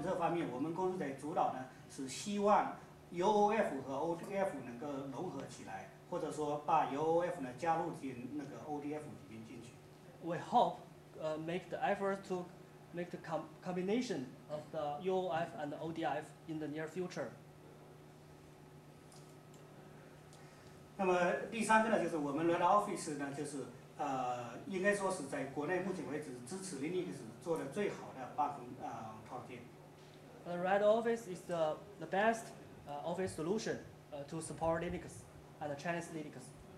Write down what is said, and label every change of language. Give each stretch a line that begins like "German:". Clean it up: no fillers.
Chinese: 那么现在的话呢，在标准这方面，我们公司在主导呢，是希望 UOF 和 ODF 能够融合起来，或者说把 UOF 呢加入进那个 ODF 里面进去。
English: We hope make the effort to make the combination of the UOF and the ODF in the near future.
Chinese: 那么第三个呢，就是我们Learn Office呢，就是 应该说是在国内目前为止支持 Linux 做的最好的办公套件。
English: Red Office is the best office solution to support Linux and Chinese Linux.